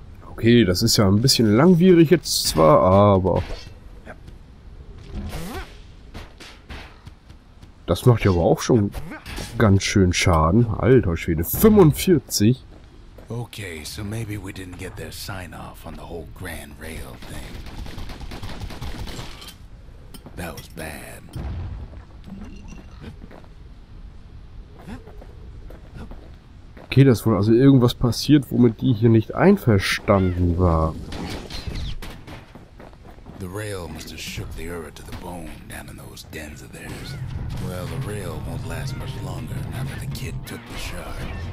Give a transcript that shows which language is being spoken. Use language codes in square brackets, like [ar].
[de] Okay, das ist ja ein bisschen langwierig jetzt zwar, aber das macht ja aber auch schon ganz schön Schaden. Alter Schwede, 45. [en] Okay, so maybe we didn't get their sign off on the whole Grand Rail thing. That was bad. [de] Okay, das ist wohl also irgendwas passiert, womit die hier nicht einverstanden war. [en] The rail must have shook the Ura to the bone down in those dens of theirs. Well, the rail won't last much longer now that the kid took the shard.